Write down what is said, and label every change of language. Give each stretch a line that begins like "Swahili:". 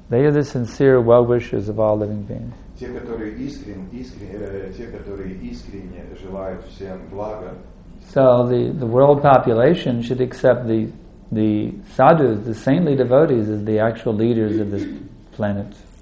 English: They are the sincere well-wishers of all living beings.
Russian: Те, которые искренне желают всем блага.
English: So the world population should accept the sadhus, the saintly devotees, as the actual leaders of this planet.